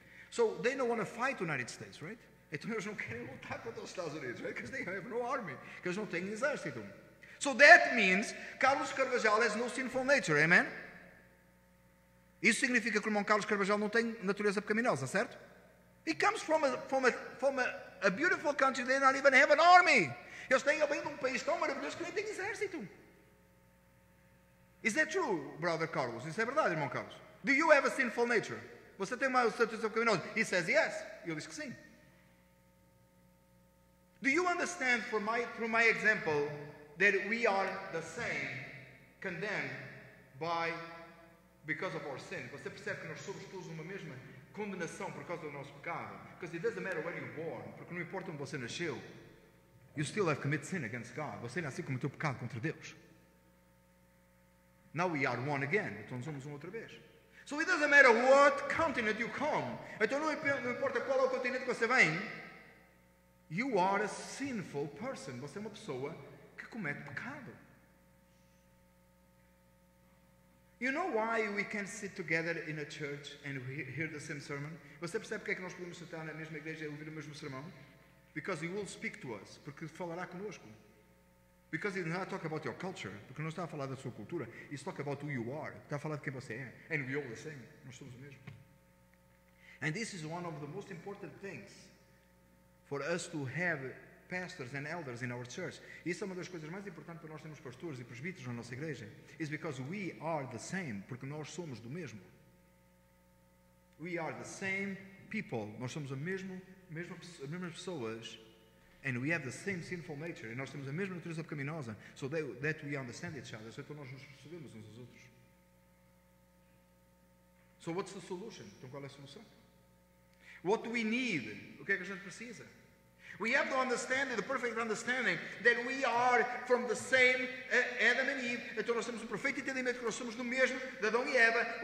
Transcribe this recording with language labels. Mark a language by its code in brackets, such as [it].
[en] So they don't want to fight the United States, right? [pt] Então eles não querem lutar contra os Estados Unidos, right? [en] Because they have no army. [pt] Porque eles não têm exército. [en] So that means Carlos Carvajal has no sinful nature. Amen? [pt] Isso significa que o irmão Carlos Carvajal não tem natureza pecaminosa, certo? [en] He comes from a beautiful country, they don't even have an army. [pt] Eles têm alguém de um país tão maravilhoso que nem tem exército. [en] Is that true, brother Carlos? [pt] Isso é verdade, irmão Carlos? [en] Do you have a sinful nature? [pt] Você tem uma natureza pecaminosa? [en] He says yes. [pt] Eu disse que sim. [en] Do you understand through my example that we are the same condemned by because of our sin? [pt] Você percebe que nós somos todos uma mesma condenação por causa do nosso pecado? [en] Because it doesn't matter where you're born, [pt] porque não importa onde você nasceu, [en] you still have committed sin against God. [pt] Você nasceu e cometeu pecado contra Deus. [en] Now we are one again. [pt] Então somos um outra vez. [en] So it doesn't matter what continent you come. [pt] Então não importa qual é o continente que você vem. [en] You are a sinful person. [pt] Você é uma pessoa que comete pecado. [en] You know why we can sit together in a church and hear the same sermon? [pt] Você percebe porque é que nós podemos sentar na mesma igreja e ouvir o mesmo sermão? [en] Because he will speak to us. [pt] Porque falará conosco. [en] Because he does not talk about your culture. [pt] Porque não está a falar da sua cultura. [en] He's talking about who you are. [pt] Está a falar de quem você é. [en] And we all the same. [pt] Nós somos o mesmo. [en] And this is one of the most important things for us to have pastors and elders in our church. [pt] Isso é uma das coisas mais importantes para nós termos pastores e presbíteros na nossa igreja. [en] It's because we are the same, [pt] porque nós somos do mesmo. [en] We are the same people. [pt] Nós somos as mesmas pessoas, [en] and we have the same sinful nature. [pt] E nós temos a mesma natureza pecaminosa. [en] So that we understand each other. [pt] Então nós nos percebemos uns aos outros. [en] So what's the solution? [pt] Então qual é a solução? [en] What do we need? [pt] O que é que a gente precisa? [en] We have to understand the perfect understanding that we are from the same Adam and Eve. [pt] Então nós temos o perfeito entendimento que nós somos do mesmo de Adão e Eva.